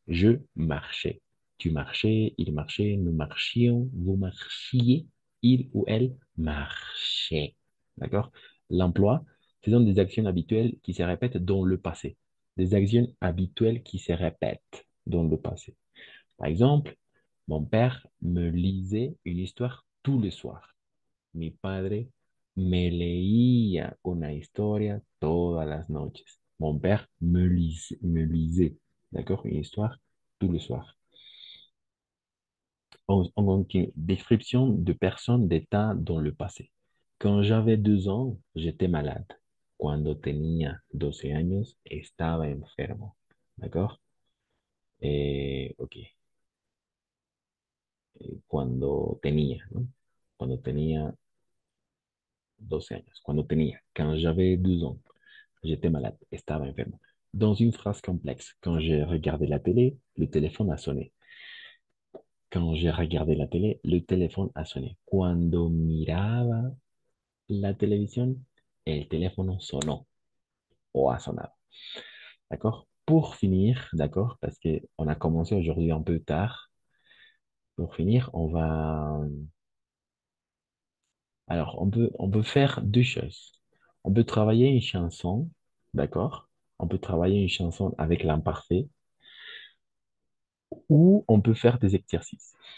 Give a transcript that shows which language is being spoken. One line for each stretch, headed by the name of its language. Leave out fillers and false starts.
French: Je marchais. Tu marchais, il marchait, nous marchions, vous marchiez, il ou elle marchait. D'accord? L'emploi, ce sont des actions habituelles qui se répètent dans le passé. Des actions habituelles qui se répètent dans le passé. Par exemple, mon père me lisait une histoire tous les soirs.
Spanish: Mi padre me leía una historia todas las noches.
French: Mon père me lisait, d'accord? Une histoire tous les soirs. Description de personnes, d'état dans le passé. Quand j'avais 2 ans, j'étais malade.
Spanish: Cuando tenía 12 años, estaba enfermo.
French: ¿D'accord? Ok.
Spanish: Cuando tenía, ¿no? Cuando tenía 12 años.
French: Quand j'avais 2 ans, j'étais malade,
Spanish: estaba enfermo.
French: Dans une phrase complexe, quand j'ai regardé la télé, le téléphone a sonné. Quand j'ai regardé la télé, le téléphone a sonné.
Spanish: Cuando miraba la télévision, el teléfono sonó o ha sonado.
French: D'accord? Pour finir, d'accord, parce qu'on a commencé aujourd'hui un peu tard, pour finir, on va. Alors, on peut faire 2 choses. On peut travailler une chanson, d'accord? On peut travailler une chanson avec l'imparfait, ou on peut faire des exercices.